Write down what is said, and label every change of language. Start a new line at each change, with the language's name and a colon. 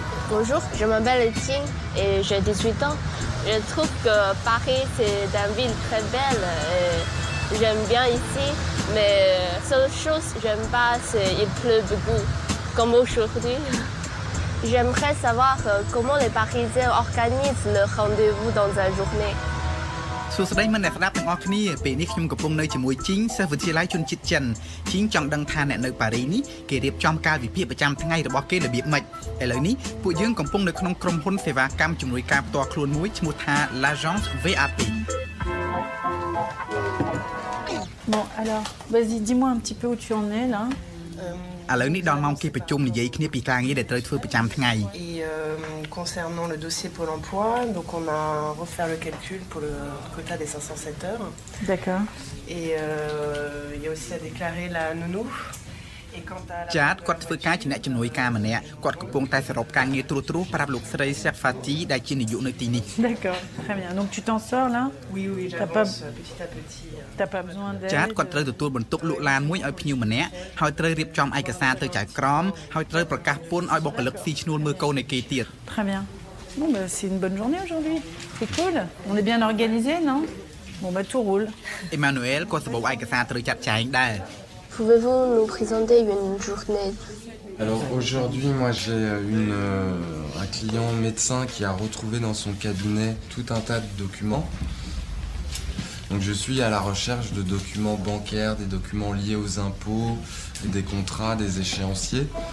French: Bonjour, je m'appelle Etienne et j'ai 18 ans. Je trouve que Paris c'est une ville très belle et j'aime bien ici. Mais seule chose que j'aime pas, c'est qu'il pleut beaucoup, comme aujourd'hui. J'aimerais savoir comment les Parisiens organisent leur rendez-vous dans la journée.
Khmer: សួស្តីមិនអ្នកស្ដាប់ទាំងអស់គ្នាពេលនេះខ្ញុំកំពុងនៅជាមួយជីងសិស្សវិទ្យាល័យជនជាតិចិនជីងចង់ដឹងថាអ្នកនៅប៉ារីនេះគេរៀបចំកាលវិភាគប្រចាំថ្ងៃរបស់គេរបៀបម៉េចឥឡូវនេះពួកយើងកំពុងនៅក្នុងក្រុមហ៊ុនសេវាកម្មជំនួយការផ្ទាល់ខ្លួនមួយឈ្មោះថា L'agence VIP
French: Bon alors vas-y dis-moi un petit peu où tu en es là
Khmer: ឥឡូវនេះដល់ម៉ោងគេប្រជុំនិយាយគ្នាពីការងារដែលត្រូវធ្វើប្រចាំថ្ងៃ
French: concernant le dossier pour l'emploi donc on a refaire le calcul pour le quota des 507 heures d'accord et il y a aussi à déclarer la nounou et quant à la chat
Khmer: គាត់ធ្វើការជាអ្នកជំនួយការម្នាក់គាត់កំពុងតែសរុបការងារត្រួសត្រាសប្រាប់លោកស្រី Safati ដែលជានាយកនៅទីនេះ
French: d'accord très bien donc tu t'en sors là oui oui j'ai pas petit à petit t'as pas besoin d'aide
Khmer: ចាតគាត់ត្រូវទទួលបន្ទុកលក់ឡានមួយឲ្យភ្ញៀវម្នាក់ហើយត្រូវរៀបចំឯកសារទៅចែកក្រមហើយត្រូវប្រកាសពន្ធឲ្យបុគ្គលិកស៊ីឈ្នួលមើលកូននៃគេទៀត
French: très bien bon mais c'est une bonne journée aujourd'hui c'est cool on est bien organisé non bon bah tout roule
Khmer: Emmanuel គាត់ទៅបោឯកសារត្រូវចាត់ចែងដែរ
French: Pouvez-vous nous présenter une journée? Alors aujourd'hui, moi j'ai un client médecin qui a retrouvé dans son cabinet tout un tas de documents. Donc je suis à la recherche de documents bancaires, des documents liés aux impôts, des contrats, des échéanciers.